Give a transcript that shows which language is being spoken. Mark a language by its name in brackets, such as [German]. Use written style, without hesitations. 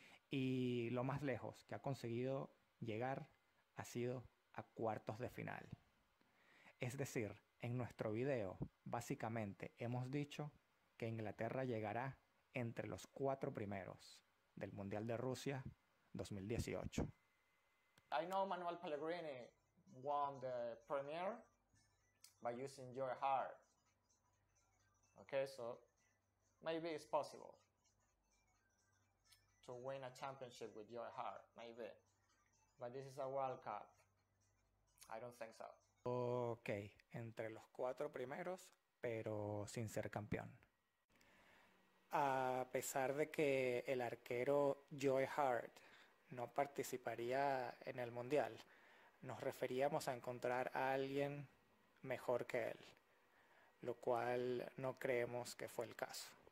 [Spanish] Y lo más lejos que ha conseguido llegar ha sido a cuartos de final. Es decir, en nuestro video, básicamente hemos dicho que Inglaterra llegará entre los cuatro primeros del Mundial de Rusia 2018. [English] I know Manuel Pellegrini won the Premier by using your heart. Okay, so maybe it's possible to win a championship with your heart, maybe. But this is a World Cup. I don't think so. [Spanish] Ok, entre los cuatro primeros, pero sin ser campeón. A pesar de que el arquero Joy Hart no participaría en el Mundial, nos referíamos a encontrar a alguien mejor que él, lo cual no creemos que fue el caso.